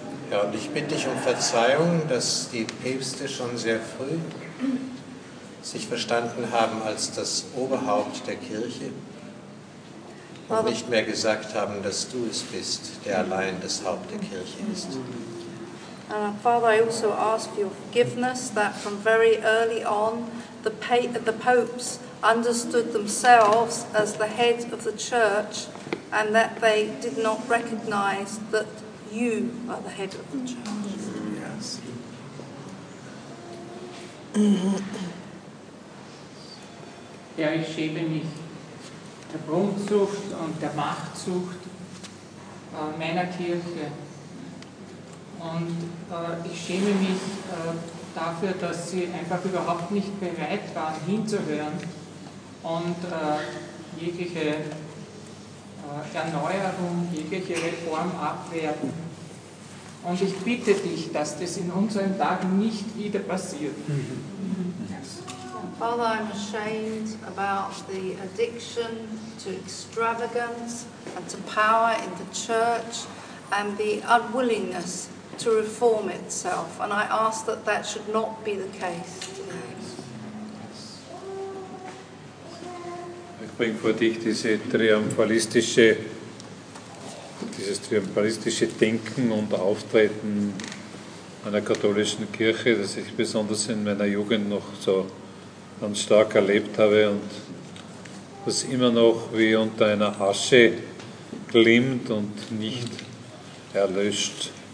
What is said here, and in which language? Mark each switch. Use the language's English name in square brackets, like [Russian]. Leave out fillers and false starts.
[German] Ja, und ich bitte dich um Verzeihung, dass die Päpste schon sehr früh sich verstanden haben als das Oberhaupt der Kirche und nicht mehr gesagt haben, dass du es bist, der allein das Haupt der Kirche ist. [English] Father, I also ask for your forgiveness that from very early on the popes understood themselves as the head of the church and that they did not recognize that you are the head of the church. Yes. [German] Ja, ich schäme mich der Prunksucht und der Machtsucht meiner Kirche. Und ich schäme mich dafür, dass sie einfach überhaupt nicht bereit waren, hinzuhören und jegliche Erneuerung, jegliche Reform abwerten. Und ich bitte dich, dass das in unseren Tagen nicht wieder passiert. [English] Father, I'm ashamed about the addiction to extravagance and to power in the church and the unwillingness to reform itself. And I ask that that should not be the case today. [German] Ich bringe vor dich dieses triumphalistische Denken und Auftreten einer katholischen Kirche, das ich besonders in meiner Jugend noch so ganz stark erlebt habe und das immer noch wie unter einer Asche glimmt und nicht erlöscht.